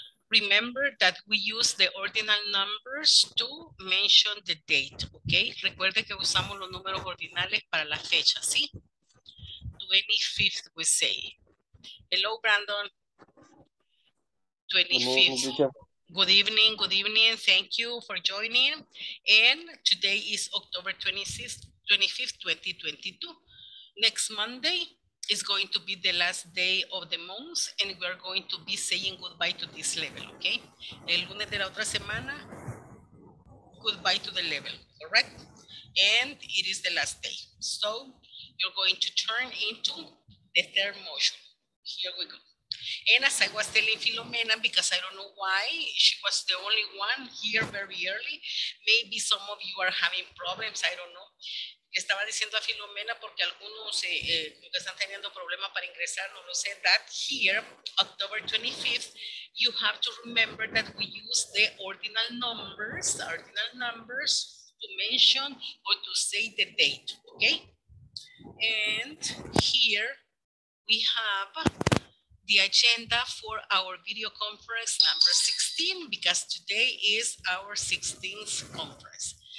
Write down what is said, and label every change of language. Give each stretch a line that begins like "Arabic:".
English: Remember that we use the ordinal numbers to mention the date, okay?
Spanish: Recuerde que usamos los números ordinales para la fecha, ¿sí?
English: 25th, we say. Hello, Brandon. Hello, 25th. teacher. Good evening, thank you for joining. And today is October 26th, 25th, 2022. Next Monday is going to be the last day of the month, and we are going to be saying goodbye to this level, okay?
Spanish: El lunes de la otra semana,
English: goodbye to the level, correct? And it is the last day. So you're going to turn into the third motion. Here we go. And as I was telling Filomena, because I don't know why she was the only one here very early, maybe some of you are having problems, I don't know.
Spanish: Estaba diciendo a Filomena porque algunos están teniendo problemas para ingresar, no lo sé.
English: That here, October 25th, you have to remember that we use the ordinal numbers to mention or to say the date, okay? And here we have the agenda for our video conference number 16, because today is our 16th conference.